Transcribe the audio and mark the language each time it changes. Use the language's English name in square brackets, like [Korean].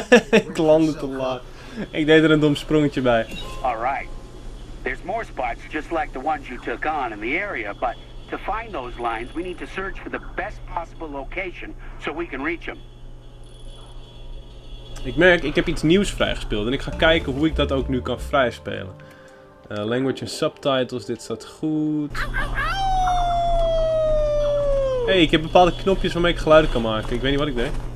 [Dutch] Ik landde te laat. Ik deed er een dom sprongetje bij. [English] Alright. There's more spots just like the ones you took on in the area, but to find those lines, we need to search for the best possible location so we can reach them. [Dutch] Ik merk, ik heb iets nieuws vrijgespeeld en ik ga kijken hoe ik dat ook nu kan vrijspelen. Language en subtitles, dit staat goed. Hey, ik heb bepaalde knopjes waarmee ik geluiden kan maken. Ik weet niet wat ik deed.